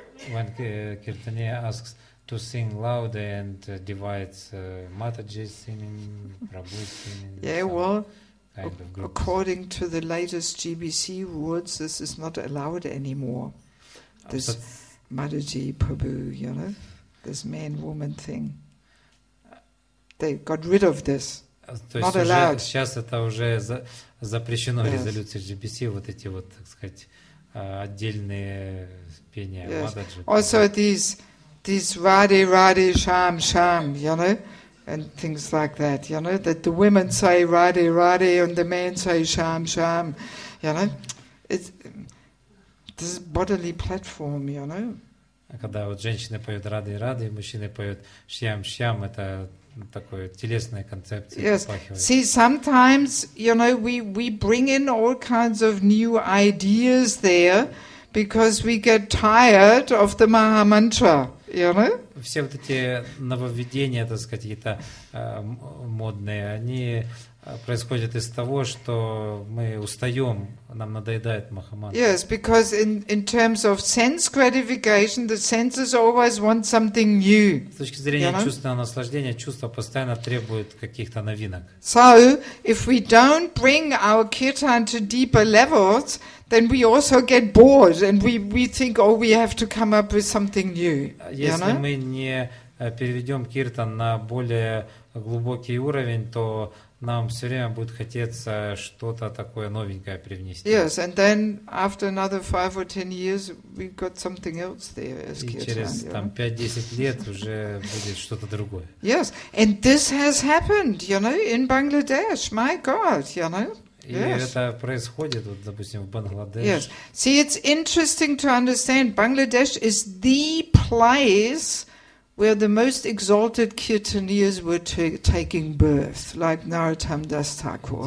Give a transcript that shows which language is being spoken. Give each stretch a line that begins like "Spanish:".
English: When kirtani asks to sing louder and divides Mataji singing, Prabhu singing. Yeah, well, kind of according to the latest GBC rules, this is not allowed anymore. This Mataji, Prabhu, you know, this man-woman thing. They got rid of this. Not allowed.
Russian: Сейчас это уже запрещено резолюцией GBC, вот эти вот, так сказать, отдельные пения Мададжи.
English: Also these Radhe Radhe Sham Sham, you know, and things like that, you know, that the women say Radhe Radhe and the men say Sham Sham, you know, it's this bodily platform, you know.
Russian: Когда вот женщины поют Радхе Радхе, мужчины поют Шьям Шьям, это такое телесная концепция.
English: Yes. See, sometimes, you know, we bring in all kinds of new ideas there because we get tired of the Maha Mantra.
Russian: веры. Все вот эти нововведения, так сказать, какие-то модные, они происходят из того, что мы устаем, нам надоедает Махамантра.
English: Yes, because in terms of sense gratification, the senses always want something new.
Russian: С точки зрения чувственного наслаждения, чувства постоянно требуют каких-то новинок.
English: So, if we don't bring our kirtan to deeper levels, then we also get bored, and we think, oh, we have to come up with something new.
Russian: Если мы не переведем киртан на более глубокий уровень, то нам все время будет хотеться что-то такое новенькое привнести.
English: Yes, and then after another 5 or 10 years, we've got something else there. As
Russian: и через там 5-10 лет уже будет что-то другое.
English: Yes, and this has happened, you know, in Bangladesh. My God, you know.
Russian: Yes. И это происходит, вот, допустим, в Бангладеш.
English: Yes, see, it's interesting to understand. Bangladesh is the place where the most exalted kirtaniers were taking birth, like Narottam Das Thakur.